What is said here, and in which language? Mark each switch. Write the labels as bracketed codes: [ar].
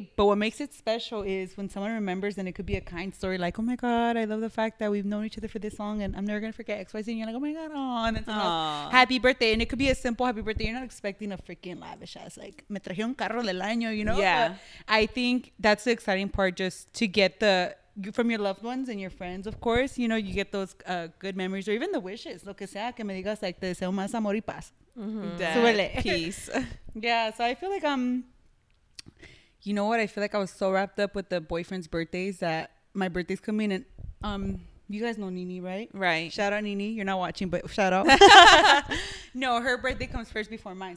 [en] But what makes it special is when someone remembers and it could be a kind story like, oh my God, I love the fact that we've known each other for this long and I'm never going to forget XYZ. And you're like, oh my God, oh. And it's like, happy birthday. And it could be a simple happy birthday. You're not expecting a freaking lavish ass, like, [es] me traje un carro del año, [en] you know? Yeah. But I think that's the exciting part, just to get the from your loved ones and your friends, of course, you know, you get those good memories or even the wishes. [es] Lo que sea que me digas, like, te deseo más amor y paz. [en] Peace. Yeah, so I feel like I'm, you know what? I feel like I was so wrapped up with the boyfriend's birthdays that my birthday's coming. And you guys know Nini, right? Right. Shout out, Nini. You're not watching, but shout out. No, her birthday comes first before mine.